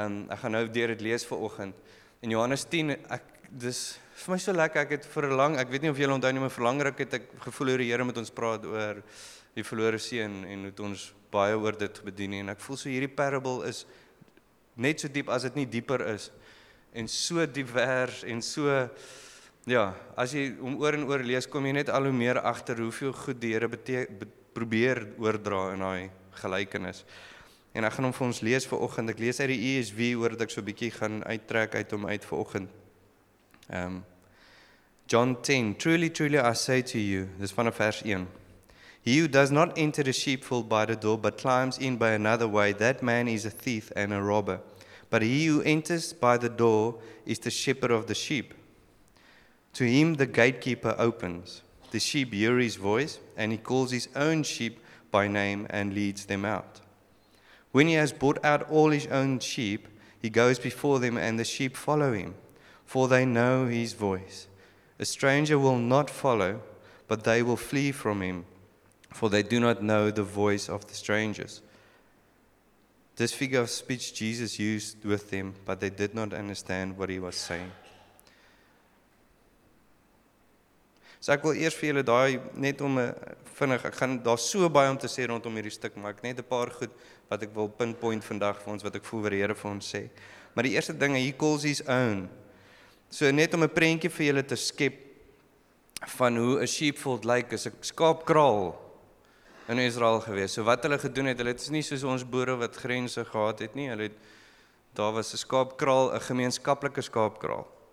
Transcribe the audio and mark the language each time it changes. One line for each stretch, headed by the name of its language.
Afrikaans: Ek gaan nou deur dit lees vir oggend. En Johannes 10, dis vir my so lekker, ek het verlang, ek weet nie of julle onthou nie, maar verlangryk het ek gevoel hoe die Here met ons praat oor die verlore seun, en het ons baie oor dit bedien, en ek voel so hierdie parable is net so diep as het nie dieper is, en so divers, en so, ja, as jy om oor en oor lees, kom jy net al hoe meer achter hoeveel goed die Here probeer oordra in hy gelykenis, en ek gaan hom vir ons lees vir oggend, ek lees uit die ESV, oor dat ek so bykie gaan uittrek uit hom uit vir oggend.
English: John 10, truly, truly I say to you,
Afrikaans: dis vanaf vers 1,
English: he who does not enter the sheepfold by the door, but climbs in by another way, that man is a thief and a robber. But he who enters by the door is the shepherd of the sheep. To him the gatekeeper opens. The sheep hear his voice, and he calls his own sheep by name and leads them out. When he has brought out all his own sheep, he goes before them, and the sheep follow him, for they know his voice. A stranger will not follow, but they will flee from him, for they do not know the voice of the strangers. This figure of speech Jesus used with them, but they did not understand what he was saying.
Afrikaans: So ek wil eers vir julle daai, net om, vinnig, ek gaan daar so baie om te sê rondom hierdie stuk, maar ek net 'n paar goed wat ek wil pinpoint vandag vir ons, wat ek voel wat die Here vir ons sê. Maar die eerste ding,
English: he calls his own.
Afrikaans: So net om 'n prentjie vir julle te skep van hoe 'n sheepfold lyk, is 'n skaapkraal in Israel gewees. So wat hulle gedoen het, hulle het nie soos ons boere wat grense gehad het nie, hulle het, daar was 'n skaapkraal, 'n gemeenskaplike skaapkraal.